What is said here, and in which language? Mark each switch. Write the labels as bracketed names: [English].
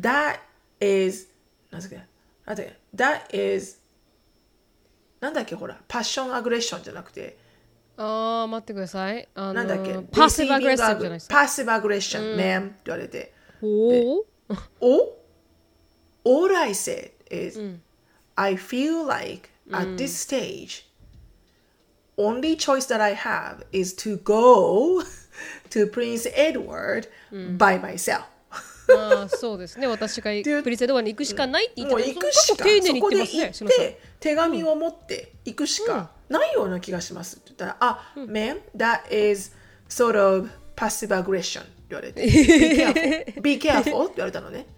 [English] That is [Japanese] 何だっけ That is 何だっけ、ほらパッションアグレッションじゃなくて、あ待ってください、何だっけ、パッシブアグレッションじゃないですか、パッシブアグレッション、うん、ma'am って言われて、ほう、 [English] お All I said is、 [Japanese] うん、 [English] I feel like at this stageOnly choice that I have is to go to Prince Edward by myself、 [Japanese] うん、あそうですね、私がプリンスエドワードに行くしかないって言ったら、もう行くしか、丁寧に言ってますね、そこで行って手紙を持って行くしかないような気がしますって言ったら、うん、あ、ma'am、うん、 [English] that is sort of passive aggression [Japanese] って言われて、 [English] Be careful [Japanese] って言われたのね、